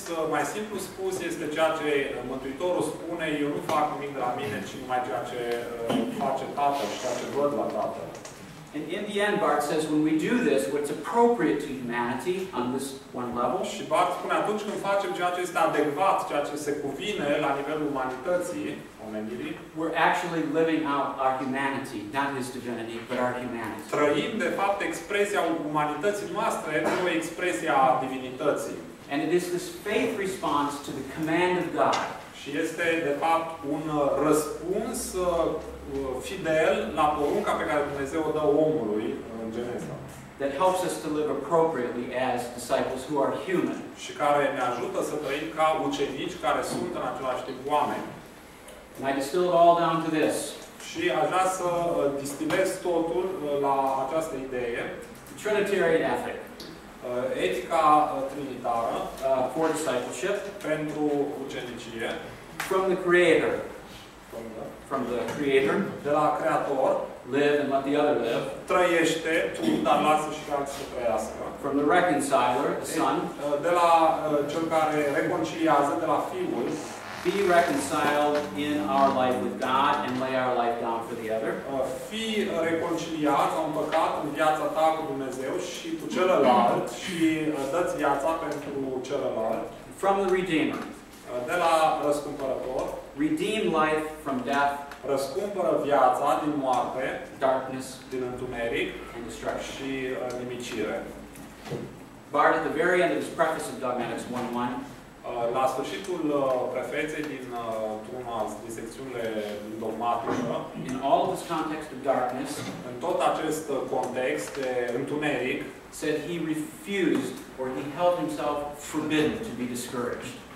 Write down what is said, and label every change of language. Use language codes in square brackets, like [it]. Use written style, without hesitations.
[ro] Mai simplu spus este ceea ce Mântuitorul spune, eu nu fac nimic de la mine, ci numai ceea ce face Tatăl și ceea ce văd la Tatăl. [en] And in the end, Bart says, when we do this, what's appropriate to humanity on this one level? [ro] Și Bart spune, atunci când facem ceea ce este adecvat, ceea ce se cuvine la nivelul umanității, omenirii, [en] we're actually living out our humanity, not His divinity, but our humanity. [ro] Trăim, de fapt, expresia umanității noastre, nu expresia divinității. [en] And it is this faith response to the command of God. [ro] Și este, de fapt, un răspuns fidel la porunca pe care Dumnezeu o dă omului în Geneza. [en] That helps us to live appropriately as disciples who are human. [ro] Și care ne ajută să trăim ca ucenici care sunt în același timp oameni. [en] And I distill it all down to this. [ro] Și aș vrea să distilez totul la această idee. [en] The Trinitarian ethic. [ro] Etica trinitară. [en] For discipleship. [ro] Pentru ucenicie. [en] from the Creator. From the Creator. [ro] De la Creator. [en] Live and let the other live. [ro] Trăiește tu, dar lasă și alții să trăiască. [en] From the Reconciler, the Son. [ro] De la cel care reconciliază, de la Fiul. [en] Be reconciled in our life with God and lay our life down for the other. [ro] Fii reconciliat sau împăcat în viața ta cu Dumnezeu și cu celălalt și dă-ți viața pentru celălalt. [en] From the Redeemer. [ro] De la Răscumpărător. [en] Redeem life from death. [ro] Răscumpără viața din moarte. [en] Darkness. [ro] Din întuneric. [en] And destruction. [ro] Și nimicire. [en] Bart, at the very end of his preface of Dogmatics 1.1, [ro] la sfârșitul prefeței din din secțiunile dogmatice, [en] in all this context of darkness, [ro] în tot acest context de întuneric, [en] said he refused or he held himself forbidden to be discouraged.